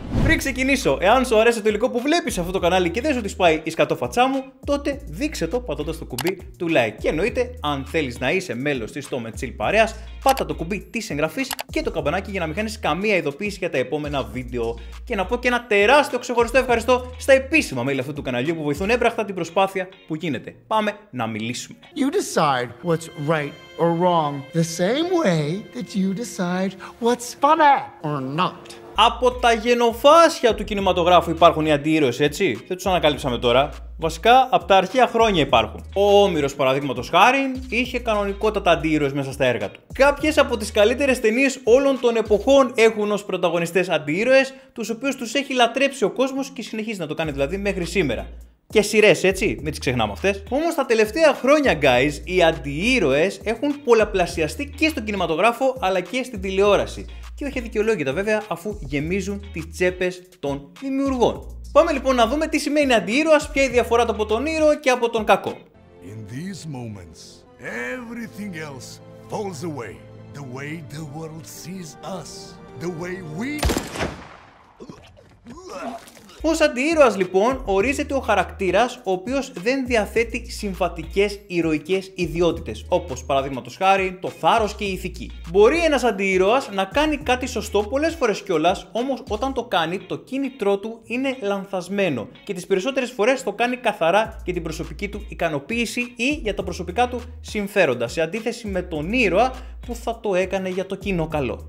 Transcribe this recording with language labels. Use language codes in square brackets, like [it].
[el] Πριν ξεκινήσω, εάν σου αρέσει το υλικό που βλέπεις σε αυτό το κανάλι και δεν σου τη σπάει η σκατόφατσά μου, τότε δείξε το πατώντας το κουμπί του like. Και εννοείται, αν θέλεις να είσαι μέλος της Stom & Chill παρέας, πάτα το κουμπί της εγγραφής και το καμπανάκι για να μην χάνεις καμία ειδοποίηση για τα επόμενα βίντεο. Και να πω και ένα τεράστιο ξεχωριστό ευχαριστώ στα επίσημα μέλη αυτού του καναλιού που βοηθούν έμπραχτα την προσπάθεια που γίνεται. Πάμε να μιλήσουμε. [en] You decide what's right or wrong the same way that you decide what's funny or not. [el] Από τα γενοφάσια του κινηματογράφου υπάρχουν οι αντιήρωες, έτσι. Δεν τους ανακαλύψαμε τώρα. Βασικά, από τα αρχαία χρόνια υπάρχουν. Ο Όμηρος, παραδείγματος χάρη, είχε κανονικότατα αντιήρωες μέσα στα έργα του. Κάποιες από τις καλύτερες ταινίες όλων των εποχών έχουν ως πρωταγωνιστές αντιήρωες, τους οποίους τους έχει λατρέψει ο κόσμος και συνεχίζει να το κάνει δηλαδή μέχρι σήμερα. Και σειρές, έτσι, μην τις ξεχνάμε αυτές. Όμως τα τελευταία χρόνια, guys, οι αντιήρωες έχουν πολλαπλασιαστεί και στον κινηματογράφο αλλά και στην τηλεόραση. Και όχι αδικαιολόγητα βέβαια, αφού γεμίζουν τις τσέπες των δημιουργών. Πάμε λοιπόν να δούμε τι σημαίνει αντιήρωας, ποια η διαφορά του από τον ήρωα και από τον κακό. [en] In these moments, everything else falls away. The way the world sees us. The way we... [el] Ως αντιήρωας λοιπόν ορίζεται ο χαρακτήρας ο οποίος δεν διαθέτει συμβατικές ηρωικές ιδιότητες, όπως παραδείγματος χάρη το θάρρος και η ηθική. Μπορεί ένας αντιήρωας να κάνει κάτι σωστό πολλές φορές κιόλας, όμως όταν το κάνει το κίνητρό του είναι λανθασμένο και τις περισσότερες φορές το κάνει καθαρά για την προσωπική του ικανοποίηση ή για τα προσωπικά του συμφέροντα, σε αντίθεση με τον ήρωα που θα το έκανε για το κοινό καλό.